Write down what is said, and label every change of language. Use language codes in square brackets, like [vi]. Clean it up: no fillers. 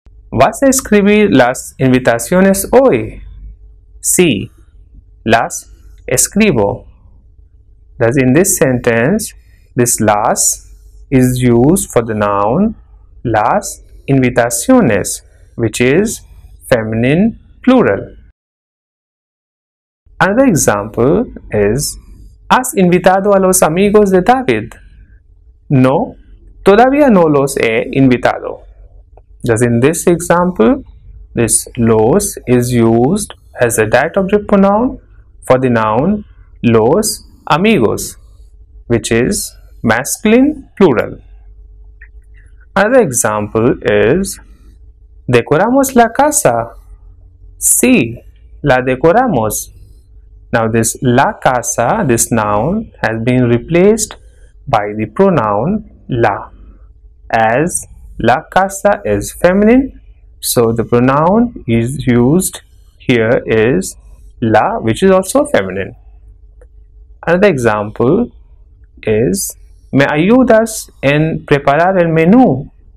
[es] ¿Vas a escribir las invitaciones hoy? Sí, las escribo. [en] Thus, in this sentence, this las is used for the noun las invitaciones, which is feminine plural. Another example is, [es] ¿Has invitado a los amigos de David? No, todavía no los he invitado. [en] Thus, in this example, this los is used as a direct object pronoun for the noun los amigos, which is masculine plural. Another example is, [es] ¿Decoramos la casa? Sí, la decoramos. [en] Now, this la casa, this noun, has been replaced by the pronoun la. As la casa is feminine, so the pronoun is used here is la, which is also feminine. Another example is, [es] ¿Me ayudas en preparar el menú?